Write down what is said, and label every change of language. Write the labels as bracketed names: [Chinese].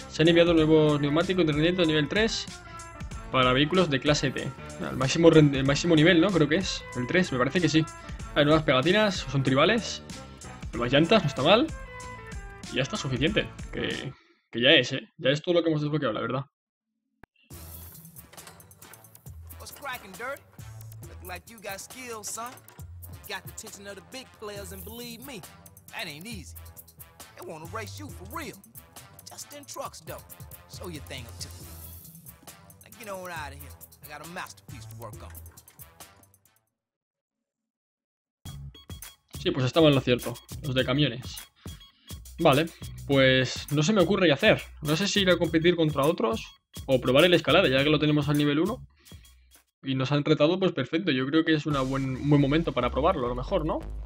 [Spanish] Se han enviado nuevos neumáticos de rendimiento de nivel 3 para vehículos de clase T. El máximo nivel, ¿no? Creo que es. El 3, me parece que sí. Hay nuevas pegatinas, son tribales. Nuevas llantas, no está mal. Ya está suficiente. Que ya es, ¿eh? Ya es todo lo que hemos desbloqueado, la verdad. [English] What's cracking, dirt? Look like you got skills, son. Got the attention of the big players, and believe me, that ain't easy. They wanna race you for real. Just in trucks, though. Show your thing or two. Now get on out of here. I got a masterpiece to work on. [Spanish] Sí, pues estaba en lo cierto. Los de camiones. Vale, pues no se me ocurre qué hacer. No sé si ir a competir contra otros o probar el escalada, ya que lo tenemos al nivel 1. Y nos han retado, pues perfecto. Yo creo que es un buen momento para probarlo, a lo mejor, ¿no?